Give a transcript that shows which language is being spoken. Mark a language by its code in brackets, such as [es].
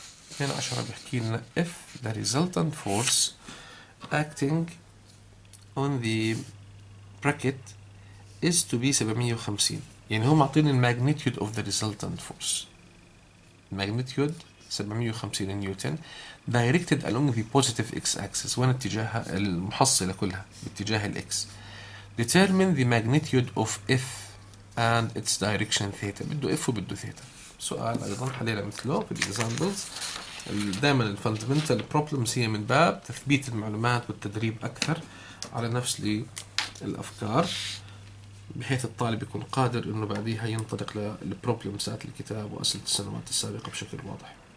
[ar] اثنين عشرة بيحكي لنا [en] if the resultant force acting on the bracket is to be 750، [ar] يعني هو معطيني [en] الماجنيتيود of the resultant force, magnitude 750 newton directed along the positive x axis، [ar] وين اتجاهها؟ المحصله كلها باتجاه الاكس. [en] determine the magnitude of f and its direction theta, [ar] بده اف وبده ثيتا. سؤال ايضا حلينا مثله في الاكزامبلز، دائما الفاندمنتال بروبلمز هي من باب تثبيت المعلومات والتدريب اكثر على نفس الافكار، بحيث الطالب يكون قادر انه بعديها ينطلق للبروبلمزات الكتاب واسئله السنوات السابقه بشكل واضح.